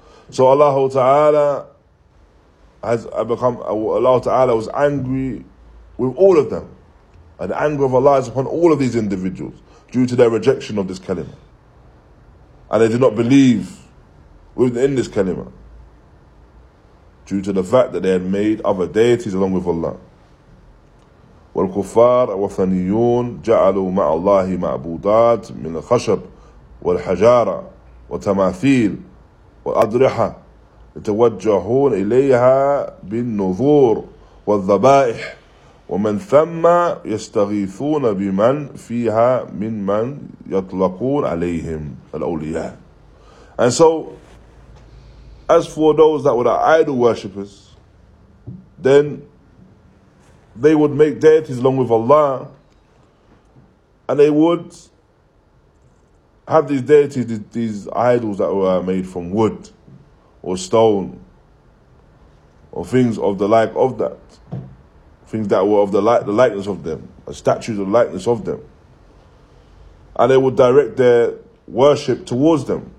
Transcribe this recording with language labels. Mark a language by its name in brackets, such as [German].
[English] So Allah Ta'ala was angry with all of them. And the anger of Allah is upon all of these individuals due to their rejection of this kalima. And they did not believe within this kalima due to the fact that they had made other deities along with Allah. [Arabic] والكفار وثنيون جعلوا مع الله معبودات من الخشب والحجارة وتماثيل وأضرحة يتوجهون إليها بالنذور والذبائح ومن ثم يستغيثون بمن فيها ممن يطلقون عليهم الأولياء. [English] And so, as for those that were the idol worshippers, then they would make deities along with Allah, and they would have these deities, these idols that were made from wood or stone or things of the like of that, things that were of the likeness of them, a statues of the likeness of them, and they would direct their worship towards them.